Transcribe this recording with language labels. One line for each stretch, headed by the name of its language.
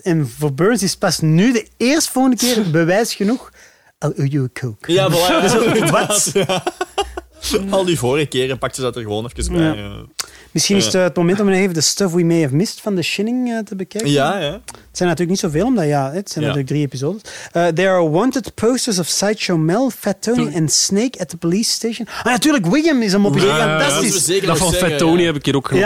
Dutch: En voor Burns is pas nu de eerstvolgende keer bewijs genoeg.
English: I'll owe you a coke.
Dutch: Ja, maar dus wat? Al die vorige keren pakte ze dat er gewoon even bij. Ja. Misschien is het moment om even de Stuff We May Have Missed van The Shining te bekijken. Ja, ja. Het zijn natuurlijk niet zoveel, omdat het zijn natuurlijk 3 episodes.
English: There are wanted posters of Sideshow Mel, Fat Tony en Snake at the police station.
Dutch: Ah, natuurlijk, William is hem op een gegeven moment. Fantastisch. Dat, zeker dat van zeggen, Fat Tony heb ik hier ook gehoord.